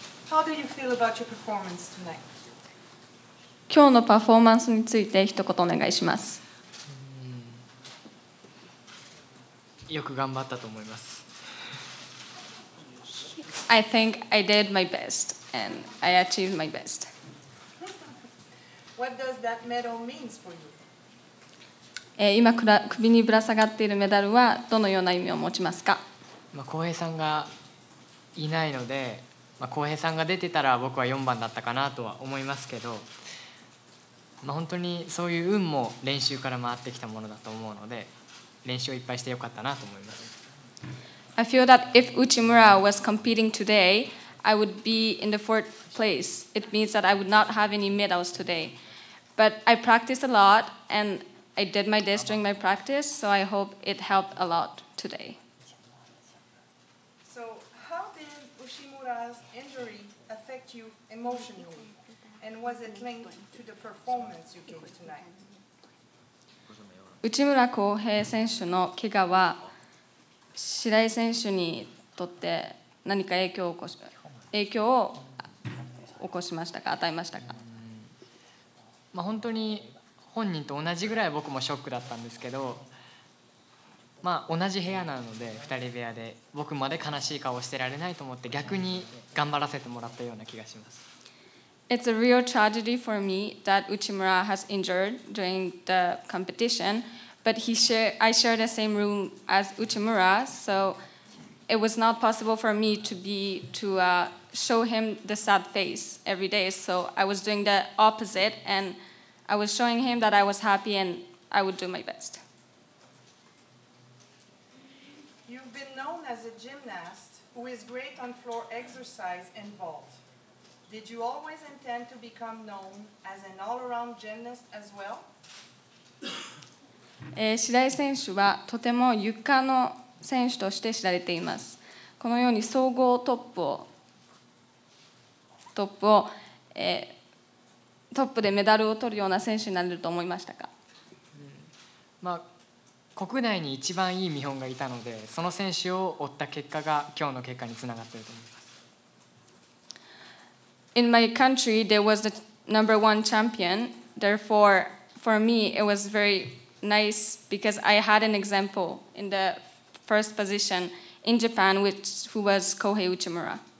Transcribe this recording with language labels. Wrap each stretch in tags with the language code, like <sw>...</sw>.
<en>How do you feel about your performance tonight?</en> <ja>今日のパフォーマンスについて一言お願いします。よく頑張ったと思います。</ja> <en>I think I did my best and I achieved my best. What does that medal mean for you?</en> <ja>今首にぶら下がっているメダルはどのような意味を持ちますか。まあ浩平さんがいないので、まあ浩平さんが出てたら僕は4番だったかなとは思いますけど、まあ本当にそういう運も練習から回ってきたものだと思うので、練習をいっぱいしてよかったなと思います。</ja> <en>I feel that if Uchimura was competing today, I would be in the fourth place. It means that I would not have any medals today. But I practiced a lot andI did my best during my practice, so I hope it helped a lot today. So, how did Uchimura's injury affect you emotionally? And was it linked to the performance you gave tonight?</en> <ja>内村航平選手の怪我は、白井選手にとって何か影響を起こしましたか、与えましたか？まあ、本当に本人と同じぐらい僕もショックだったんですけど、まあ、同じ部屋なので2人部屋で僕まで悲しい顔をしてられないと思って逆に頑張らせてもらったような気がします。</ja> <en>It's a real tragedy for me that Uchimura has injured during the competition, but I share the same room as Uchimura, so it was not possible for me to show him the sad face every day, so I was doing the opposite andI was showing him that I was happy and I would do my best. You've been known as a gymnast who is great on floor exercise and vault. Did you always intend to become known as an all-around gymnast as well?</en> <ja>白井選手はとても床の選手として知られています。このように総合トップを、トップでメダルを取るような選手になれると思いましたか。まあ、国内に一番いい見本がいたので、その選手を追った結果が今日の結果につながっていると思います。</ja> <en>In my country, there was the number one champion. Therefore, for me, it was very nice because I had an example in the first position in Japan, who was Kohei Uchimura.</en>